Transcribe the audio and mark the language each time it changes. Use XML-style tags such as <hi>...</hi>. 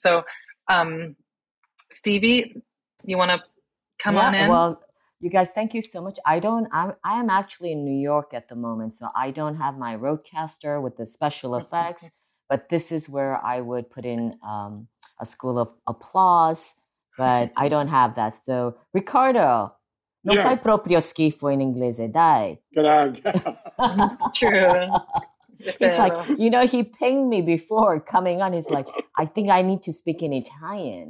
<en>So Stevie, you want to come on in? Well, you guys, thank you so much. I am actually in New York at the moment, so I don't have my Rodecaster with the special effects, but this is where I would put in a school of applause, but I don't have that.</en> <it>So, Ricardo, non fai proprio schifo in inglese, dai.</it> <en>That's true. He's like, you know, he pinged me before coming on. He's like, I think I need to speak in Italian.</en>